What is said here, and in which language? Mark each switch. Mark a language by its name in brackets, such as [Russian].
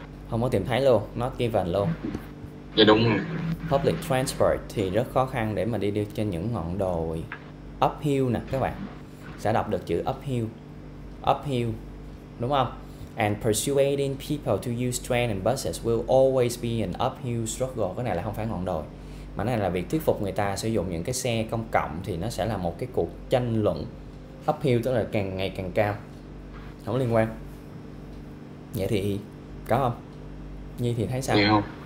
[Vietnamese] Không có tìm thấy luôn, not given luôn. Dạ đúng rồi. Public transport thì rất khó khăn để mà đi được trên những ngọn đồi uphill nè các bạn. Sẽ đọc được chữ uphill. Uphill. Đúng không? [English] and persuading people to use train and buses will always be an uphill struggle. [Vietnamese] Cái này là không phải ngọn đồi, mà này là việc thuyết phục người ta sử dụng những cái xe công cộng thì nó sẽ là một cái cuộc tranh luận uphill, tức là càng ngày càng cao, không liên quan. Vậy thì có không? Nhi thì thấy sao? Nhiều.